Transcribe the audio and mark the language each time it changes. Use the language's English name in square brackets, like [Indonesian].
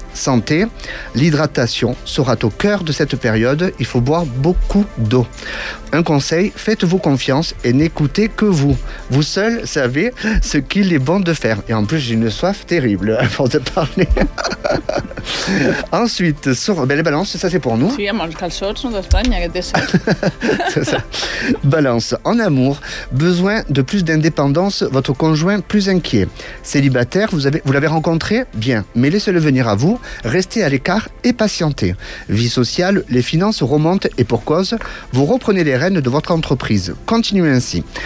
[French] Santé, l'hydratation sera au cœur de cette période, il faut boire beaucoup d'eau. Un conseil, faites-vous confiance et n'écoutez que vous. Vous seul savez ce qu'il est bon de faire. Et en plus, j'ai une soif terrible à force de parler. Ensuite, les balances, ça c'est pour nous. [Catalan] Sí, amb els calçots d'Espanya, que té set. [French] C'est ça. Balance, en amour, besoin de plus d'indépendance, votre conjoint plus inquiet. Célibataire, vous l'avez rencontré ? Bien, mais laissez-le venir à vous. Restez à l'écart et patientez. Vie sociale, les finances remontent et pour cause, vous reprenez les rênes de votre entreprise. Continuez ainsi.